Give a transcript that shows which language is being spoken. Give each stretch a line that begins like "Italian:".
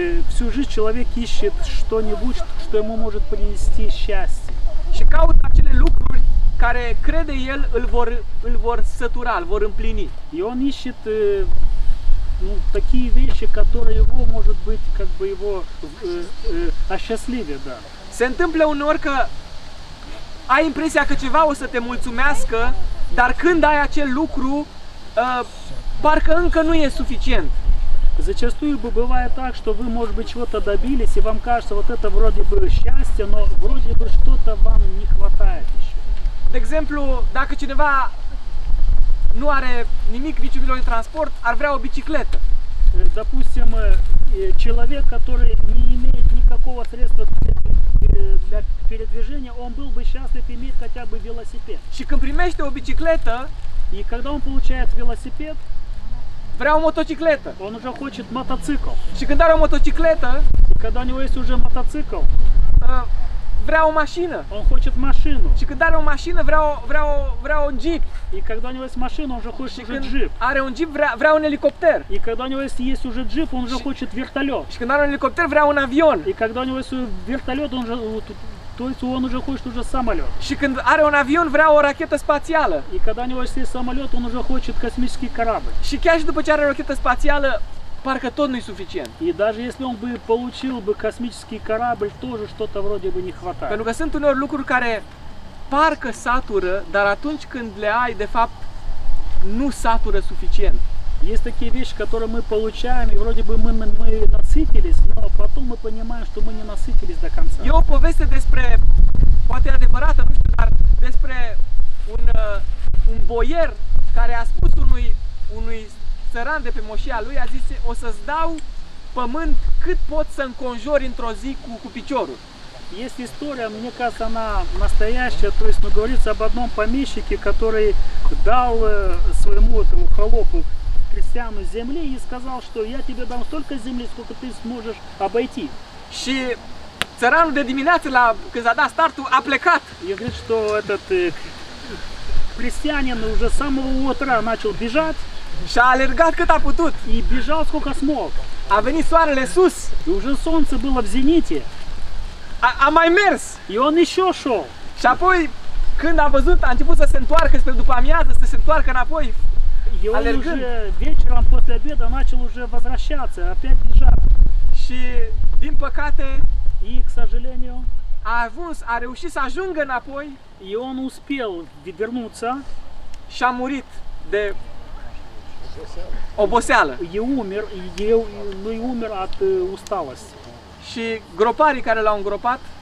Russian: Всю жизнь человек ищет что-нибудь, что ему может принести счастье.
Romanian: Și caută acele lucruri care crede el îl vor sătura, îl vor împlini.
Russian: Ion ищет такие вещи, которые его может быть как бы его осчастливят, да.
Romanian: Se întâmplă uneori că ai impresia că ceva o să te mulțumească, dar când ai acel lucru, parcă încă nu e suficient.
Russian: Зачастую бывает так, что вы, может быть, чего-то добились, и вам кажется, вот это вроде бы счастье, но вроде бы что-то вам не хватает еще.
Romanian: De exemplu, dacă cineva nu are nimic, nici un de transport, ar vrea o bicicletă.
Russian: Допустим, человек, который не имеет никакого средства для передвижения, он был бы счастлив иметь хотя бы велосипед.
Romanian: Și când primește o bicicletă,
Russian: и когда он получает велосипед,
Romanian: vrea o motocicletă.
Russian: Он уже хочет мотоцикл.
Romanian: Și când are o motocicletă,
Russian: когда у него есть уже мотоцикл,
Romanian: vrea o mașină.
Russian: Он хочет машину.
Romanian: Și când are o mașină, vrea un jeep.
Russian: И когда у него есть машина, он уже хочет уже джип.
Romanian: Are un jeep, vrea un elicopter.
Russian: И когда у него есть уже джип, он уже хочет вертолет.
Romanian: Și când are un elicopter, vrea un avion.
Russian: И когда у него есть вертолет, он уже то есть он уже хочет уже самолет.
Romanian: Și când are un avion, vrea o rachetă spațială.
Russian: И когда у него есть самолет, он уже хочет космический корабль.
Romanian: Și chiar și după ce are rachetă spațială, parcă tot nu-i suficient.
Russian: И даже если он бы получил бы космический корабль, тоже что-то вроде бы не хватает.
Romanian: Pentru că sunt uneori lucruri care parcă satură, dar atunci când le ai, de fapt, nu satură suficient.
Russian: Есть такие вещи, которые мы получаем, и вроде бы мы насытились, но потом мы понимаем, что мы не насытились до конца. Есть повесть
Romanian: despre, poate adevărată, nu știu, dar despre un boier care a spus unui țăran de pe moșia lui, a zis, o să-ți dau pământ cât pot să înconjori într-o zi cu piciorul.
Russian: Есть история, мне кажется, она настоящая, то есть, говорится об одном помещике, который дал своему этому холопу крестьяну земли и сказал, что я тебе дам столько земли, сколько ты сможешь обойти.
Romanian: Și țăranul de dimineață, când a dat startul, a plecat.
Russian: Я говорю, что этот крестьянин уже с самого утра начал бежать.
Romanian: Și a alergat cât a putut.
Russian: И бежал сколько смог.
Romanian: A venit soarele sus.
Russian: И уже солнце было в зените.
Romanian: A mai mers.
Russian: И он еще шел.
Romanian: Și apoi, când a văzut, a început să se întoarcă spre după amiază, să se întoarcă înapoi.
Russian: И он уже вечером после обеда начал уже возвращаться, опять бежать.
Romanian: Și, din păcate,
Russian: и, к сожалению,
Romanian: a reușit să ajungă înapoi.
Russian: И он успел вернуться.
Romanian: Și a murit de oboseală.
Russian: И умер от усталости.
Romanian: Și groparii care l-au îngropat?